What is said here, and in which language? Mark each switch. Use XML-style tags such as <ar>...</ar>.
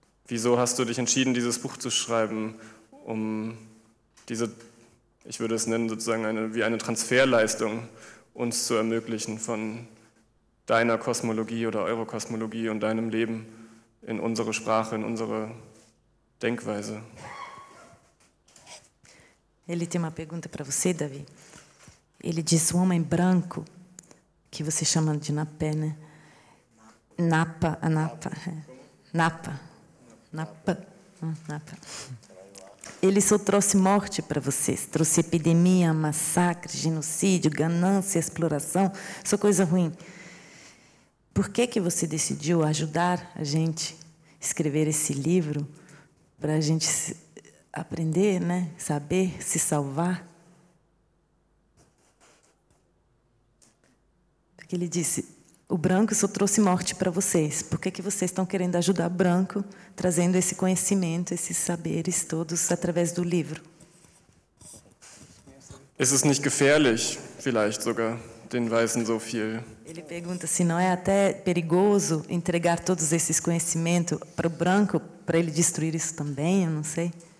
<de>Wieso hast du dich entschieden, dieses Buch zu schreiben, um diese, ich würde es nennen, sozusagen wie eine Transferleistung uns zu ermöglichen von deiner Kosmologie oder eurer Kosmologie und deinem Leben in unsere Sprache, in unsere Denkweise.</de> <pt>Ele tem uma pergunta para você, Davi. Ele diz, o homem branco, que você chama de Napé, né? Napa, a Napa. Napa. Napa. Napa. Ele só trouxe morte para vocês. Trouxe epidemia, massacre, genocídio, ganância, exploração. Só coisa ruim. Por que que você decidiu ajudar a gente a escrever esse livro para a gente aprender, né? Saber se salvar? Porque ele disse, o branco só trouxe morte para vocês. Por que que vocês estão querendo ajudar o branco, trazendo esse conhecimento, esses saberes todos através do livro?</pt> <de>Ist es nicht gefährlich, vielleicht sogar, den Weißen so viel?</de> <pt>Ele pergunta se não é até perigoso entregar todos esses conhecimentos para o branco, para ele destruir isso também, eu não sei.</pt>